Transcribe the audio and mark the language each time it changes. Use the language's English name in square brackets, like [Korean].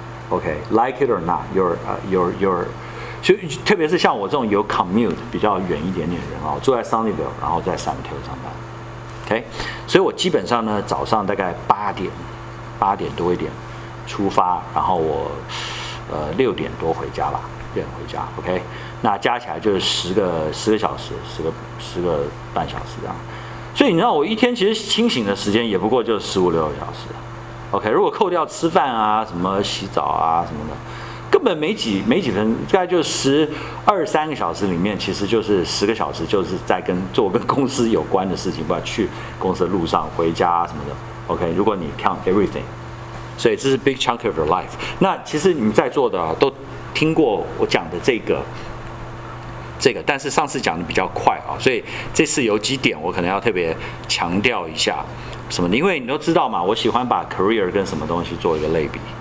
[English] Okay, like it or not, your, [Chinese] 就特别是像我这种有 commute 比较远一点点的人啊，住在 Sunnyvale， 然后在 San Mateo 上班 ，OK， 所以我基本上呢，早上大概八点多一点出发，然后我6点多回家吧，点回家 ，OK， 那加起来就是10个小时，10个半小时这样，所以你知道我一天其实清醒的时间也不过就15、16个小时 OK， 如果扣掉吃饭啊、什么洗澡啊什么的，根本没几分，大概就十二三个小时里面，其实就是十个小时，就是在跟公司有关的事情，不管去公司的路上、回家、啊、什么的。 [English] OK， [Chinese] 如果你 [English] count everything， [Chinese] 所以这是 [English] big chunk of your life。 [Chinese] 那其实你在座的、啊、都听过我讲的这个，但是上次讲的比较快啊，所以这次有几点我可能要特别强调一下。什么？因为你都知道嘛，我喜欢把 career 跟什么东西做一个类比。